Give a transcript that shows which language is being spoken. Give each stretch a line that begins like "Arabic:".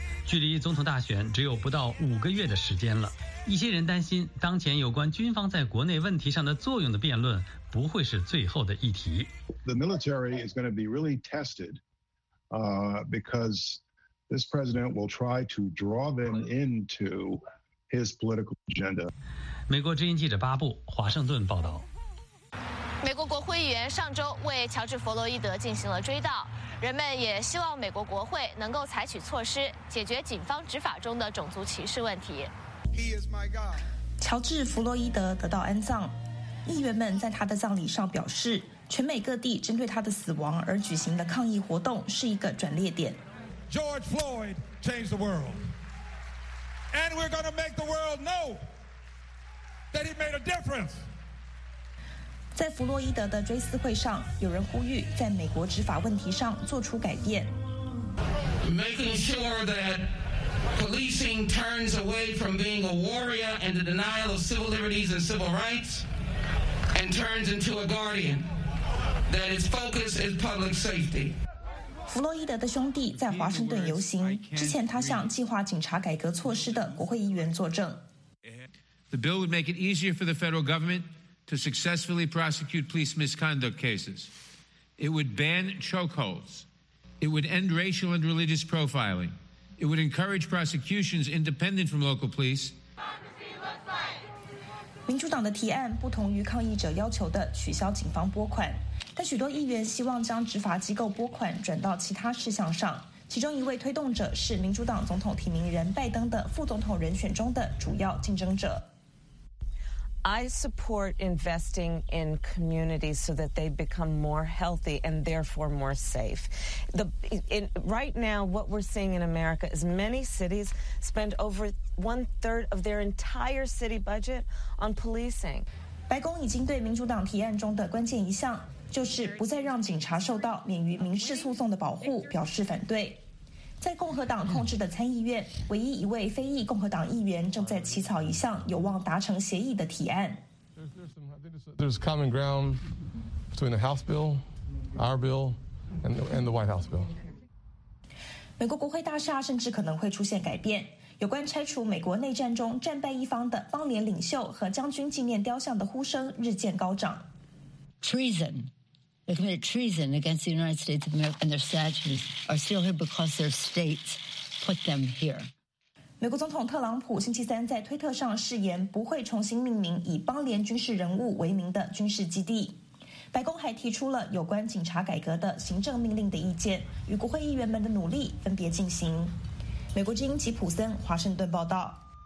Chinese: 距离总统大选只有不到五个月的时间了，一些人担心当前有关军方在国内问题上的作用的辩论不会是最后的议题。
English: The military is going to be really tested, because this president will try to draw them into his political agenda.
Chinese: 美国之音记者巴布，华盛顿报道。美国国会议员上周为乔治·弗洛伊德进行了追悼，人们也希望美国国会能够采取措施解决警方执法中的种族歧视问题。
English: He is my God.
Chinese: 乔治·弗洛伊德得到安葬，议员们在他的葬礼上表示，全美各地针对他的死亡而举行的抗议活动是一个转捩点。
English: George Floyd changed the world and we're going to make the world know that he made a difference。
Chinese: 在弗洛伊德的追思会上，有人呼吁在美国执法问题上做出改变。
English: Making sure that policing turns away from being a warrior and the denial of civil liberties and civil rights and turns into a guardian, that its focus is public safety。
Chinese: 弗洛伊德的兄弟在华盛顿游行，之前他向计划警察改革措施的国会议员作证。
English: The bill would make it easier for the federal government. To successfully prosecute police misconduct cases, it would ban chokeholds. It would end racial and religious profiling. It would encourage prosecutions independent from local police.
Chinese: 民主党的提案不同于抗议者要求的取消警方拨款，但许多议员希望将执法机构拨款转到其他事项上。其中一位推动者是民主党总统提名人拜登的副总统人选中的主要竞争者。
English: I support investing in communities so that they become more healthy and therefore more safe. Right now, what we're seeing in America is many cities spend over one-third of their entire city budget on policing.
Chinese: 白宫已经对民主党提案中的关键一项，就是不再让警察受到免于民事诉讼的保护，表示反对。在共和党控制的参议院，唯一一位非裔共和党议员正在起草一项有望达成协议的提案。
English: There's common ground between the House bill, our bill, and the White House bill.
Chinese: 美国国会大厦甚至可能会出现改变。有关拆除美国内战中战败一方的邦联领袖和将军纪念雕像的呼声日渐高涨。
English: Treason. They committed treason against the United States of America, and their statues are still here because their states put them here.
Chinese: 美国总统特朗普星期三在推特上誓言不会重新命名以邦联军事人物为名的军事基地。白宫还提出了有关警察改革的行政命令的意见，与国会议员们的努力分别进行。美国之音吉普森，华盛顿报道。